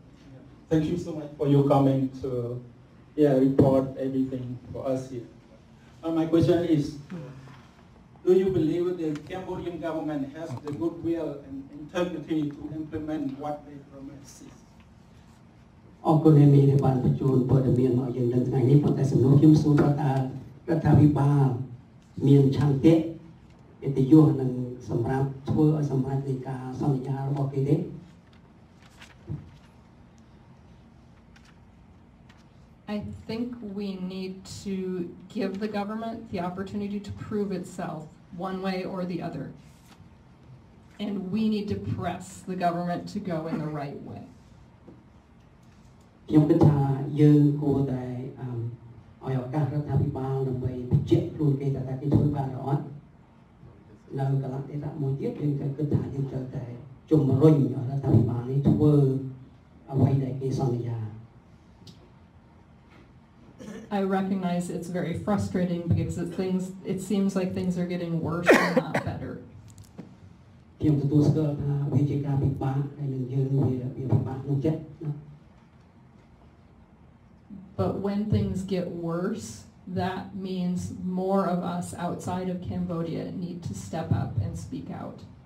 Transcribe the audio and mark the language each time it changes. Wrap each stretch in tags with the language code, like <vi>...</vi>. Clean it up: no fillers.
<en>Hi. Thank you so much for your coming to report everything for us here. My question is, do you believe the Cambodian government has the goodwill and integrity to implement what they promised?</en> <km>អង្គនេះមានបានបញ្ជូនព័ត៌មានមកយើងនៅថ្ងៃនេះប៉ុន្តែសំណួរខ្ញុំសួរគាត់ថារដ្ឋាភិបាលមានឆន្ទៈឥទ្ធិយសនឹងសម្រាប់ធ្វើឲ្យសម្រេចនៃការសន្យារបស់គេទេ</km> <en>I think we need to give the government the opportunity to prove itself one way or the other and we need to press the government to go in the right way</en> <km>ខ្ញុំគិតថាយើងគួរតែឲ្យឱកាសរដ្ឋាភិបាលដើម្បីបញ្ជាក់ខ្លួនគេថាគេធ្វើបានឬអត់នៅកន្លែងទេថាមួយទៀតយើងគិតថាយើងត្រូវតែជំរុញរដ្ឋាភិបាលនេះធ្វើអ្វីដែលគេសន្យា</km> <en>I recognize it's very frustrating because it seems like things are getting worse and not better</en> <km>ខ្ញុំទទួលស្គាល់ថាវាជាការពិបាកហើយនឹងយើងវាពិបាកនឹងចិត្ត</km> <en>But when things get worse, that means more of us outside of Cambodia need to step up and speak out.</en>